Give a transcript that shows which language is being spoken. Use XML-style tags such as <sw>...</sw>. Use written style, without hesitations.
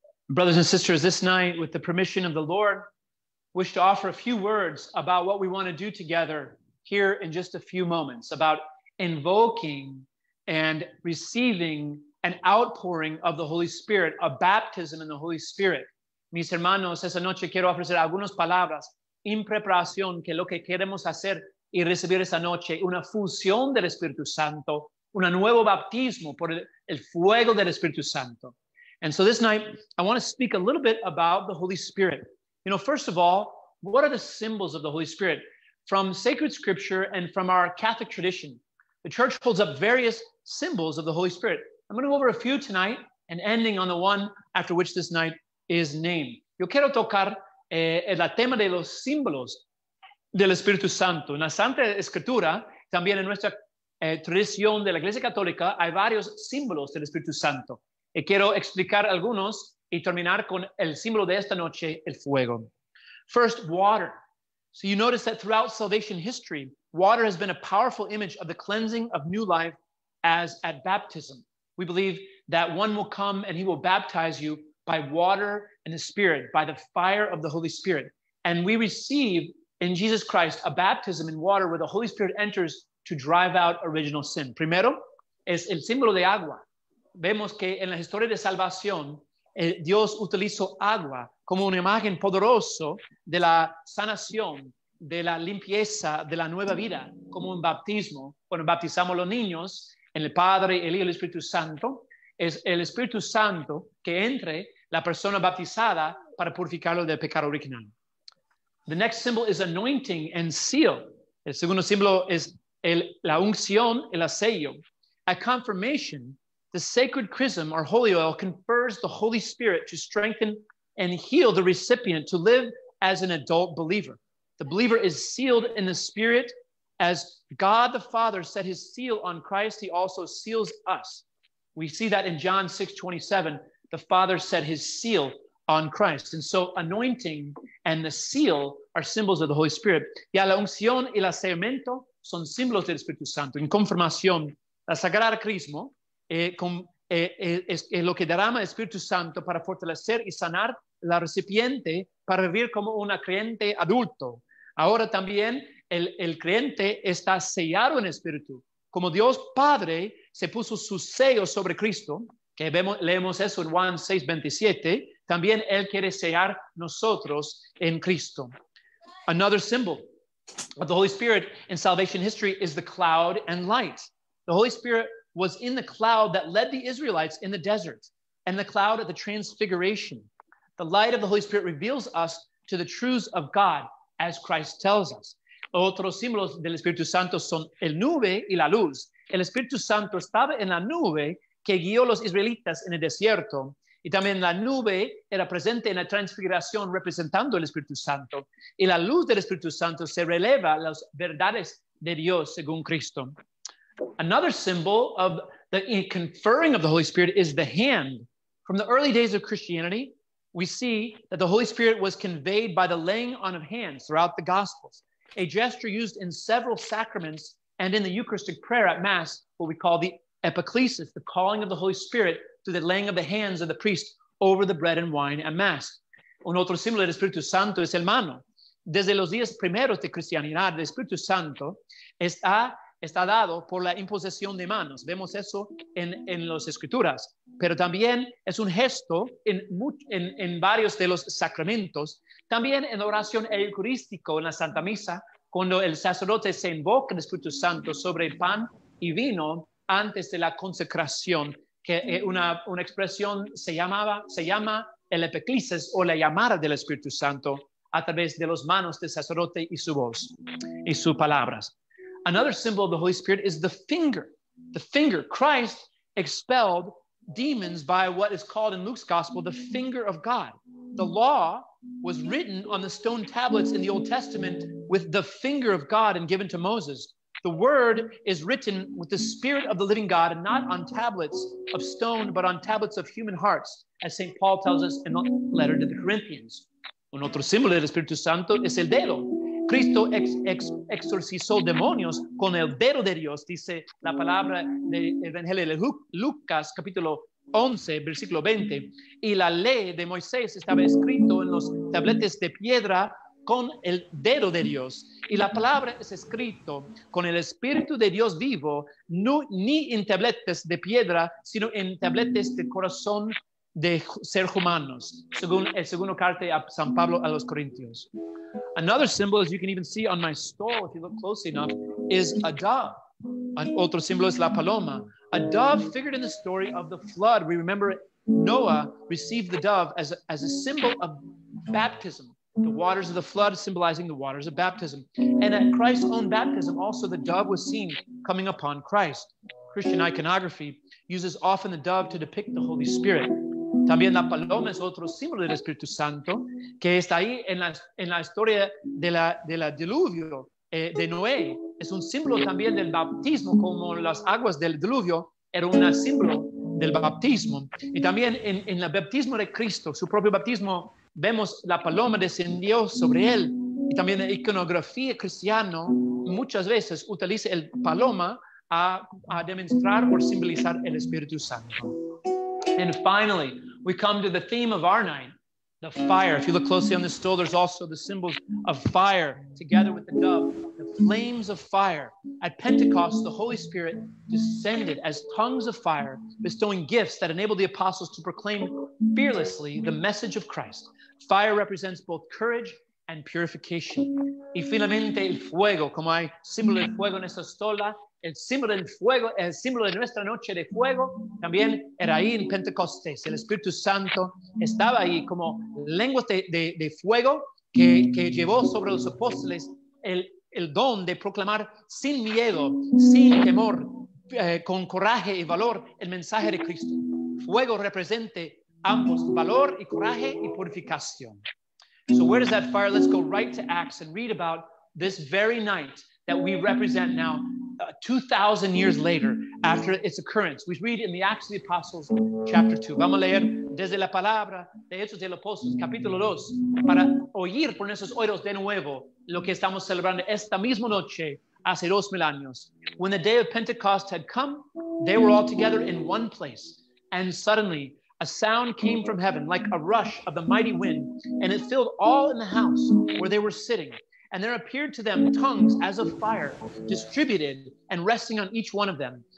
<en>Brothers and sisters, this night, with the permission of the Lord, wish to offer a few words about what we want to do together here in just a few moments, about invoking and receiving an outpouring of the Holy Spirit, a baptism in the Holy Spirit.</en> <es>Mis hermanos, esa noche quiero ofrecer algunas palabras en preparación que lo que queremos hacer y recibir esa noche, una fusión del Espíritu Santo, un nuevo bautismo por el fuego del Espíritu Santo.</es> <en>And so this night, I want to speak a little bit about the Holy Spirit. You know, first of all, what are the symbols of the Holy Spirit? From sacred scripture and from our Catholic tradition, the church holds up various symbols of the Holy Spirit. I'm going to go over a few tonight and ending on the one after which this night is named.</en> <es>Yo quiero tocar el tema de los símbolos del Espíritu Santo. En la Santa Escritura, también en nuestra tradición de la Iglesia Católica, hay varios símbolos del Espíritu Santo. Y quiero explicar algunos y terminar con el símbolo de esta noche, el fuego.</es> <en>First, water. So you notice that throughout salvation history, water has been a powerful image of the cleansing of new life as at baptism. We believe that one will come and he will baptize you by water and the Spirit, by the fire of the Holy Spirit. And we receive in Jesus Christ a baptism in water where the Holy Spirit enters to drive out original sin.</en> <es>Primero, es el símbolo de agua. Vemos que en la historia de salvación, Dios utilizó agua como una imagen poderosa de la sanación, de la limpieza, de la nueva vida, como un bautismo. Cuando bautizamos los niños en el Padre, el Hijo y el Espíritu Santo, es el Espíritu Santo que entre la persona bautizada para purificarlo del pecado original.</es> <en>The next symbol is anointing and seal.</en> <es>El segundo símbolo es la unción, el sello.</es> <en>A confirmation. The sacred chrism or holy oil confers the Holy Spirit to strengthen and heal the recipient to live as an adult believer. The believer is sealed in the Spirit. As God the Father set his seal on Christ, he also seals us. We see that in John 6:27, the Father set his seal on Christ. And so anointing and the seal are symbols of the Holy Spirit.</en> <es>Ya la unción y el sellamiento son símbolos del Espíritu Santo. En confirmación, la sagrada chrismo. Es lo que derrama el Espíritu Santo para fortalecer y sanar la recipiente para vivir como un creyente adulto. Ahora también el creyente está sellado en Espíritu. Como Dios Padre se puso su sello sobre Cristo, que vemos, leemos eso en Juan 6:27, también Él quiere sellar nosotros en Cristo.</es> <en>Another symbol of the Holy Spirit in salvation history is the cloud and light. The Holy Spirit was in the cloud that led the Israelites in the desert and the cloud at the transfiguration. The light of the Holy Spirit reveals us to the truths of God, as Christ tells us.</en> <es>Otros símbolos del Espíritu Santo son el nube y la luz. El Espíritu Santo estaba en la nube que guió los israelitas en el desierto. Y también la nube era presente en la transfiguración representando el Espíritu Santo. Y la luz del Espíritu Santo se releva las verdades de Dios según Cristo.</es> <en>Another symbol of the conferring of the Holy Spirit is the hand. From the early days of Christianity, we see that the Holy Spirit was conveyed by the laying on of hands throughout the Gospels, a gesture used in several sacraments and in the Eucharistic prayer at Mass, what we call the epiclesis, the calling of the Holy Spirit through the laying of the hands of the priest over the bread and wine at Mass.</en> <es>Un otro símbolo del Espíritu Santo es el mano. Desde los días primeros de Cristianidad, el Espíritu Santo está dado por la imposición de manos. Vemos eso en las escrituras. Pero también es un gesto en varios de los sacramentos. También en oración eucarística, en la Santa Misa, cuando el sacerdote se invoca el Espíritu Santo sobre el pan y vino antes de la consecración, que una expresión se llama el epiclesis o la llamada del Espíritu Santo a través de las manos del sacerdote y su voz y sus palabras.</es> <en>Another symbol of the Holy Spirit is the finger. The finger. Christ expelled demons by what is called in Luke's gospel, the finger of God. The law was written on the stone tablets in the Old Testament with the finger of God and given to Moses. The word is written with the spirit of the living God and not on tablets of stone, but on tablets of human hearts, as St. Paul tells us in the letter to the Corinthians.</en> <es>Un otro símbolo del Espíritu Santo es el dedo. Cristo exorcizó demonios con el dedo de Dios, dice la palabra del Evangelio de Lucas, capítulo 11, versículo 20. Y la ley de Moisés estaba escrito en los tabletes de piedra con el dedo de Dios. Y la palabra es escrito con el Espíritu de Dios vivo, no, ni en tabletes de piedra, sino en tabletes de corazón de ser humanos, según el segundo carta a San Pablo a los Corintios.</es> <en>Another symbol, as you can even see on my stall, if you look close enough, is a dove.</en> <es>Otro símbolo es la paloma.</es> <en>A dove figured in the story of the flood. We remember Noah received the dove as a symbol of baptism. The waters of the flood symbolizing the waters of baptism. And at Christ's own baptism, also the dove was seen coming upon Christ. Christian iconography uses often the dove to depict the Holy Spirit.</en> <es>También la paloma es otro símbolo del Espíritu Santo que está ahí en la historia de la diluvio de Noé. Es un símbolo también del bautismo, como las aguas del diluvio era un símbolo del bautismo. Y también en el bautismo de Cristo, su propio bautismo, vemos la paloma descendió sobre él. Y también la iconografía cristiana muchas veces utiliza el paloma a demostrar o simbolizar el Espíritu Santo.</es> <en>And finally, we come to the theme of our night, the fire. If you look closely on the stole, there's also the symbols of fire together with the dove, the flames of fire. At Pentecost, the Holy Spirit descended as tongues of fire, bestowing gifts that enabled the apostles to proclaim fearlessly the message of Christ. Fire represents both courage and purification.</en> <es>Y finalmente, el fuego, como hay símbolo del fuego en esta estola, el símbolo del fuego, el símbolo de nuestra noche de fuego, también era ahí en Pentecostés. El Espíritu Santo estaba ahí como lengua de fuego que llevó sobre los apóstoles el don de proclamar sin miedo, sin temor, con coraje y valor el mensaje de Cristo. Fuego representa ambos, valor y coraje y purificación.</es> <en>So where does that fire? Let's go right to Acts and read about this very night that we represent now 2,000 years later after its occurrence. We read in the Acts of the Apostles, chapter 2.</en> <es>Vamos a leer desde la palabra de Hechos de los Apóstoles, capítulo 2, para oír por nuestros oídos de nuevo lo que estamos celebrando esta misma noche hace 2,000 años.</es> <en>When the day of Pentecost had come, they were all together in one place, and suddenly a sound came from heaven like a rush of the mighty wind, and it filled all in the house where they were sitting. And there appeared to them tongues as of fire, distributed and resting on each one of them.</en>